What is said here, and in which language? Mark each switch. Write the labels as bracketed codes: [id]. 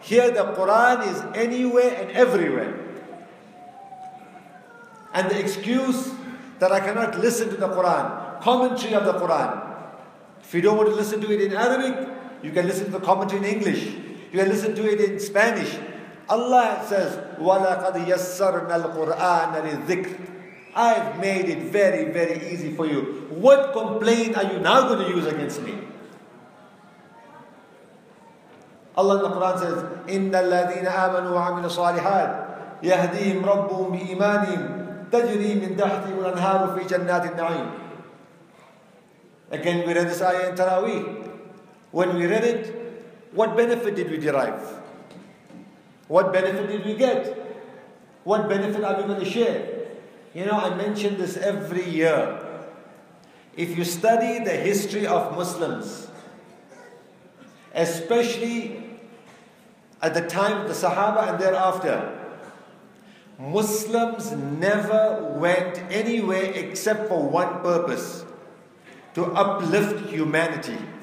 [en] Here the Quran is anywhere and everywhere. And the excuse that I cannot listen to the Quran, commentary of the Quran. If you don't want to listen to it in Arabic, you can listen to the commentary in English. You can listen to it in Spanish. Allah says, [ar] وَلَقَدْ يَسَّرْنَا الْقُرْآنَ لِلذِّكْرِ. [en] I've made it very, very easy for you. What complaint are you now going to use against me? Allah in the Quran says, [ar] إِنَّ الَّذِينَ آمَنُوا وَعَمِلُوا الصَّالِحَاتِ يَهْدِيهِمْ رَبُّهُمْ بِإِيمَانِهِمْ تَجْرِي مِنْ تَحْتِهِمُ الْأَنْهَارُ فِي جَنَّاتِ النَّعِيمِ. [en] Again, we read this ayah in Taraweeh. When we read it, what benefit did we derive? What benefit did we get? What benefit are we going to share? You know, I mention this every year. If you study the history of Muslims, especially at the time of the Sahaba and thereafter, Muslims never went anywhere except for one purpose: to uplift humanity.